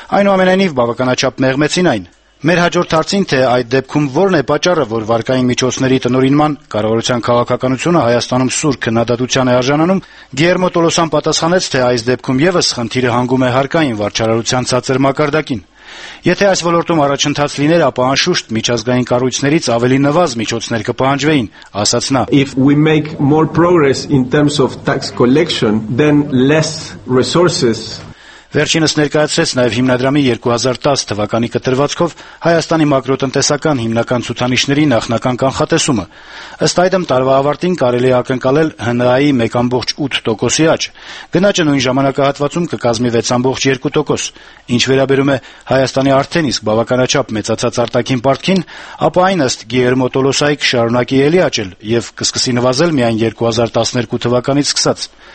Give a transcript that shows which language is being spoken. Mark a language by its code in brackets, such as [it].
[hy] այնուամենայնիվ բավականաչափ մեղմեցին այն։ Մեր հաջորդ հարցին, թե այդ դեպքում որն է պատճառը, որ վարկային միջոցների տնորինման կառավարության քաղաքականությունը Հայաստանում սուր քննադատության է արժանանում, Գիերմո Տոլոսան պատասխանեց, թե այս դեպքում ևս խնդիրը հանգում է հարկային վարչարարության ցածր մակարդակին։ Եթե այս ոլորտում առաջընթաց լիներ, ապա անշուշտ միջազգային կառույցներից ավելի նվազ միջոցներ կպահանջվեին, ասաց նա։ [en] If we make more progress in terms of tax collection, then less resources. [hy] Վերջինս ներկայացրեց նաև հիմնադրամի 2010 թվականի կտրվածքով Հայաստանի մակրոտնտեսական հիմնական ցուցանիշների նախնական կանխատեսումը։ Ըստ այդմ տարվա ավարտին կարելի է ակնկալել ՀՆԱ-ի 1.8% աճ, գնաճը նույն ժամանակահատվածում կկազմի 6.2%։ Ինչ վերաբերում է Հայաստանի արդեն իսկ բավականաչափ մեծացած արտաքին պարտքին, ապա այն ըստ Գիերմո Տոլոսայի կշարունակի ելի աճել և կսկսի նվազել միայն 2012 թվականից սկսած։